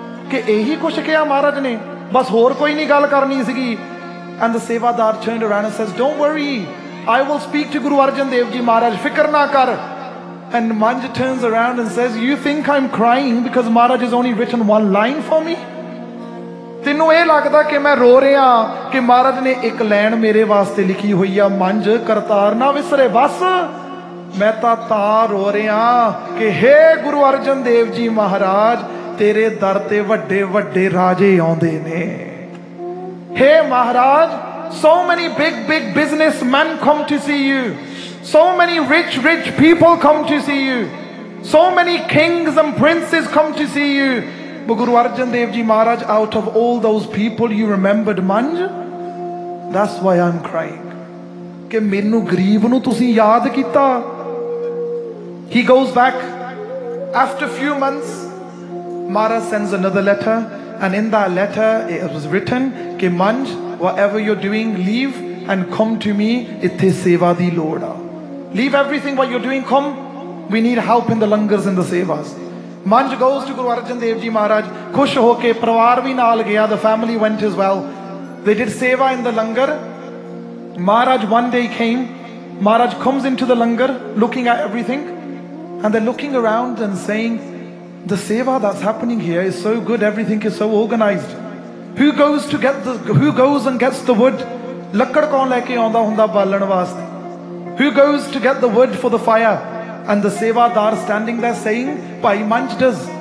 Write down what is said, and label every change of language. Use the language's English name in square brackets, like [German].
[Punjabi] Ke ehi kuch kiya Maharaj ne, bas hor koi nahi gal karni sigi. [English] And the sevadar turned around and says, don't worry, I will speak to Guru Arjan Dev Ji Maharaj, [Punjabi] fikr na kar. [English] And manj turns around and says, you think I'm crying because Maharaj has only written one line for me? [Punjabi] ਤੈਨੂੰ ਇਹ ਲੱਗਦਾ ਕਿ ਮੈਂ ਰੋ ਰਿਹਾ ਕਿ ਮਹਾਰਾਜ ਨੇ ਇੱਕ ਲੈਣ ਮੇਰੇ ਵਾਸਤੇ ਲਿਖੀ ਹੋਈ ਆ, ਮੰਜ ਕਰਤਾਰ ਨਾ ਵਿਸਰੇ, ਬਸ ਮੈਂ ਤਾਂ ਰੋ ਰਿਹਾ ਕਿ ਹੇ ਗੁਰੂ ਅਰਜਨ ਦੇਵ ਜੀ ਮਹਾਰਾਜ, ਤੇਰੇ ਦਰ ਤੇ ਵੱਡੇ ਵੱਡੇ ਰਾਜੇ ਆਉਂਦੇ ਨੇ, [English] ਹੇ Maharaj so many big big business man come to see you, so many rich rich people come to see you, so many kings and princes come to see you, Guru Arjan Dev ji Maharaj out of all those people you remembered Manj, that's why I am crying, [Punjabi] ਕਿ ਮੈਨੂੰ ਗਰੀਬ ਨੂੰ ਤੁਸੀਂ ਯਾਦ ਕੀਤਾ. [English] he goes back after few months, Maharaj sends another letter, and in that letter it was written ਕਿ Manj whatever you are doing leave and come to me, [Punjabi] ਇੱਥੇ ਸੇਵਾ ਦੀ ਲੋੜ ਆ, [English] Leave everything what you are doing, come, we need help in the langars in the sevas. Manj goes to Guru Arjan Dev Ji Maharaj, [Punjabi] khush hoke parivar vi naal gaya, [English] the family went as well, they did seva in the langar. Maharaj one day came, Maharaj comes into the langar looking at everything, and they're looking around and saying, the seva that's happening here is so good, everything is so organized, who goes to get the, who goes and gets the wood, [Punjabi] lakkad kaun leke aunda hunda balan vaste, [English] who goes to get the wood for the fire, and the seva dar standing there saying, Bhai Manj does.